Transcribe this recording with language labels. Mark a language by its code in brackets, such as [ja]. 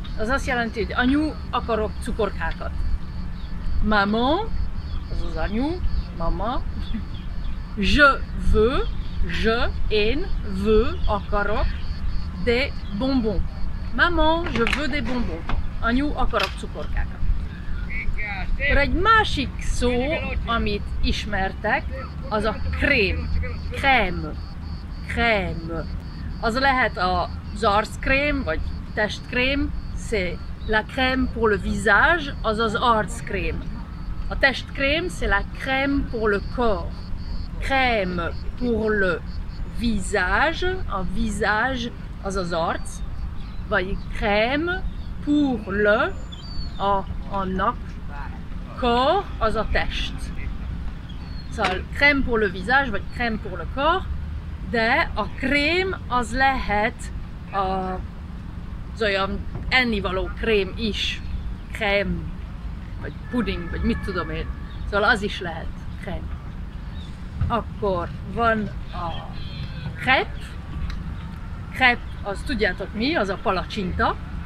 [hu] Az azt jelenti, hogy anyu, akarok cukorkákat. Mama, az az anyu, mama. [fr] Je veux, je, [hu] én, [fr] veux, [hu] akarok [fr] des bonbons. Mama, je veux des bonbons. [hu] Anyu, akarok cukorkákat. Akkor egy másik szó, amit ismertek, az a krém. Krém. Krém. Az lehet az arckrém, vagy testkrém. [fr] C'est la crème pour le visage, [hu] az az arckrém. A testkrém, [fr] c'est la crème pour le corps. Crème pour le visage, a visage, [hu] az az arc. Vagy [fr] crème pour le, [hu] a annak. [fr] Corps, [hu] az a test. Szóval [fr] crème pour le visage, [hu] vagy [fr] crème pour le corps. [hu] De a krém az lehet az olyan ennivaló krém is. Krém. Vagy puding, vagy mit tudom én. Szóval az is lehet krém. Akkor van a krep. Krep, az tudjátok mi, az a palacsinta.